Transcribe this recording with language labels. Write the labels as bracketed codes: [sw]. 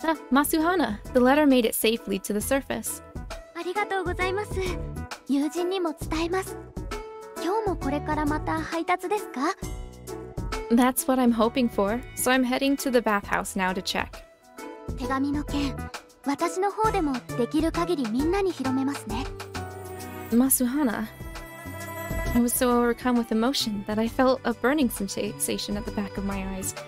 [en] Masuhana, the letter made it safely to the surface. [ja] ありがとうございます.友人にも伝えます. 今日もこれからまた配達ですか? [en] That's what I'm hoping for, so I'm heading to the bathhouse now to check. [ja] 手紙の件、私の方でもできる限りみんなに広めますね. [en] Masuhana, I was so overcome with emotion that I felt a burning sensation at the back of my eyes.